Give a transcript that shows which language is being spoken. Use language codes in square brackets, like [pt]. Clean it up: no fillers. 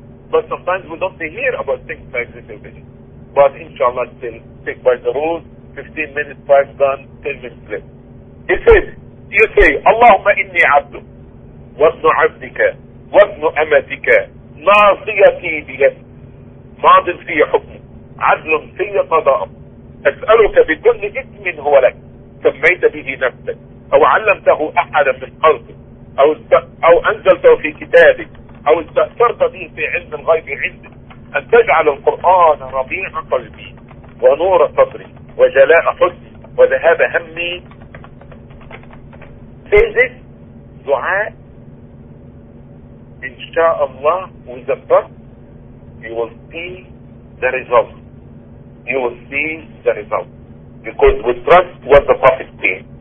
[en] But sometimes we don't hear about things like this every day. But inshallah, still stick by the rules, 15 minutes, 5 done, 10 minutes left. He says, you say, [ar] Allahumma inni abdu, wabnu abdika, wabnu amatika, ناصيتي بيد ماض في حكم عدل في قضاء أسألك بكل اسم هو لك سميت به نفسك أو علمته أحدا من خلقك أو أنزلته في كتابك أو استأثرت به في علم الغيب عندك أن تجعل القرآن ربيع قلبي ونور صدري وجلاء حزني وذهاب همي. فيزيك دعاء [en] inshaAllah, with the trust, you will see the result. You will see the result. Because we trust what the Prophet said.